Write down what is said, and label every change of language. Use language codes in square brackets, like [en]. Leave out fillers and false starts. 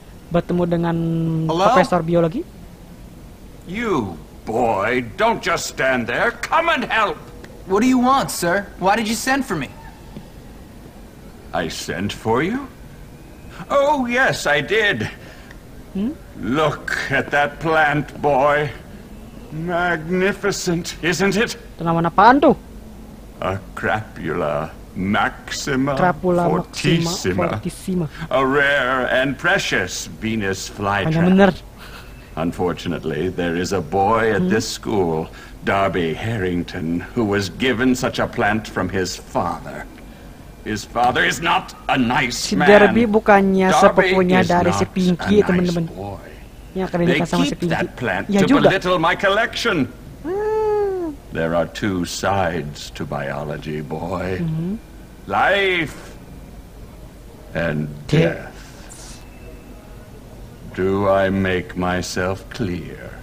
[id] Bertemu dengan Profesor Biologi. [en] You, boy, don't just stand there. Come and help. What do you want, sir? Why did you send for me? I sent for you? Oh, yes, I did. Look at that plant, boy. Magnificent, isn't it? [id] Tanaman apaan tuh? [en] A crapula. Maxima fortissima. A rare and precious Venus flytrap. Unfortunately, there is a boy at this school, Darby Harrington, who was given such a plant from his father. His father is not a nice man. [id] Darby bukannya sepupunya dari si Pinky, teman-teman. Yang akan dinikah sama si Pinky. [en] They keep that plant to belittle my collection. There are two sides to biology, boy. Life and death. Do I make myself clear?